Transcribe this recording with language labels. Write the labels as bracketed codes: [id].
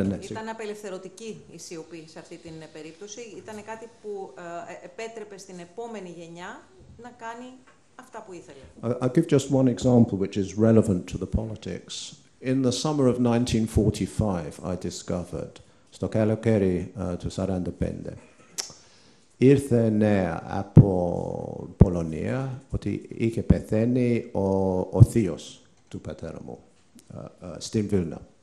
[el] Ήταν απελευθερωτική η σιωπή σε αυτή την περίπτωση. Ήταν κάτι που επέτρεπε στην επόμενη γενιά να κάνει αυτά που ήθελε. [en] I'll give just one example which is relevant to the politics. In the summer of 1945, I discovered, [el] στο καλοκαίρι του 45, ήρθε νέα από Πολωνία ότι είχε πεθαίνει ο θείος του πατέρα μου στην Βίλνα.